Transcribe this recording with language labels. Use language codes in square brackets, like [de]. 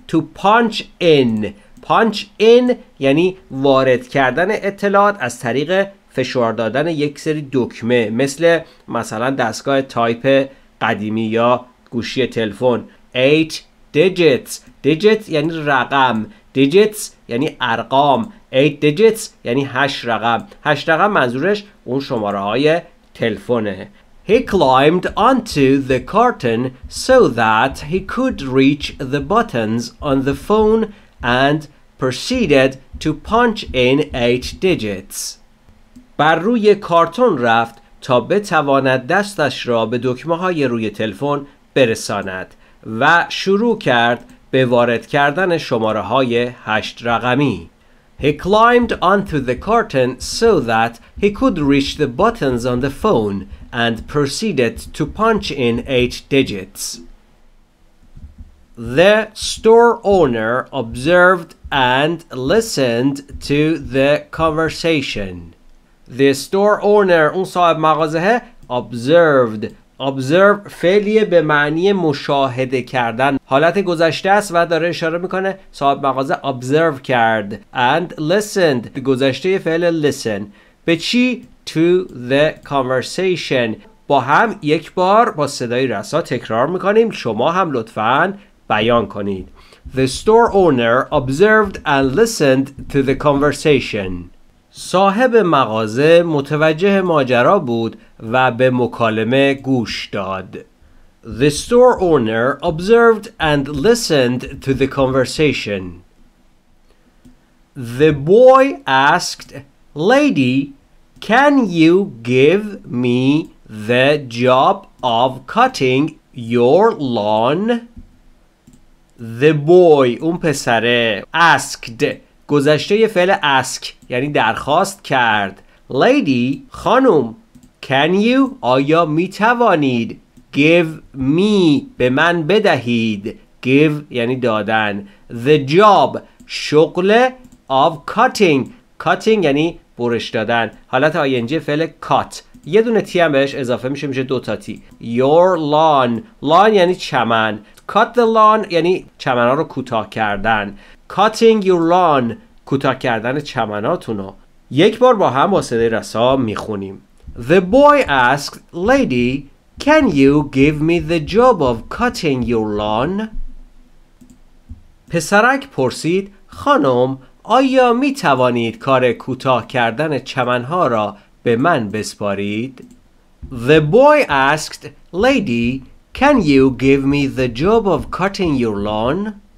[en] to punch in [fa] یعنی وارد کردن اطلاعات از طریق فشار دادن یک سری دکمه، مثلا دستگاه تایپ قدیمی یا گوشی تلفن. [en] 8 digits. digits [fa] یعنی رقم. digits یعنی ارقام. [en] 8 digits [fa] یعنی 8 رقم. 8 رقم منظورش اون شماره های تلفنه. [en] He climbed onto the carton so that he could reach the buttons on the phone and proceeded to punch in 8 digits. [fa] بر روی کارتون رفت تا بتواند دستش را به دکمه های روی تلفن برساند و شروع کرد به وارد کردن شماره های 8 رقمی. [en] He climbed onto the carton so that he could reach the buttons on the phone and proceeded to punch in 8 digits. The store owner observed and listened to the conversation. The store owner, [fa] اون صاحب مغازه [en] observed. [fa] Observe فعلیه به معنی مشاهده کردن. حالت گذشته است و داره اشاره میکنه صاحب مغازه observe کرد. [en] And listened. [fa] گذشته فعل [en] listen. [fa] به چی؟ [en] To the conversation. [fa] با هم یک بار با صدای رسا تکرار میکنیم. شما هم لطفاً بیان کنید. [en] The store owner observed and listened to the conversation. [fa] صاحب مغازه متوجه ماجرا بود و به مکالمه گوش داد. [en] The store owner observed and listened to the conversation. The boy asked, "Lady, can you give me the job of cutting your lawn?" The boy, [fa] اون پسره, [en] asked, [fa] گذشته فعل [en] ask, [fa] یعنی درخواست کرد. [en] Lady, [fa] خانم, [en] can you, [fa] آیا میتوانید, [en] give me, [fa] به من بدهید, give, یعنی دادن, [en] the job, [fa] شغل [en] of cutting, [fa] cutting یعنی برش دادن, حالت ING فعل cut, یه دونه تی هم بهش اضافه میشه, میشه دوتا تی, [en] your lawn, [fa] lawn یعنی چمن, [en] cut the lawn [fa] یعنی چمنا رو کوتاه کردن, [en] cutting your lawn, [fa] کوتاه کردن چمناتونو. یک بار با هم با صدای رسا میخونیم. [en] The boy asked, "Lady, can you give me the job of cutting your lawn?" [fa] پسرک پرسید, خانم, آیا میتوانید کار کوتاه کردن چمنها را به من بسپارید؟ [en] The boy asked, "Lady, can you give me the job of cutting your lawn?"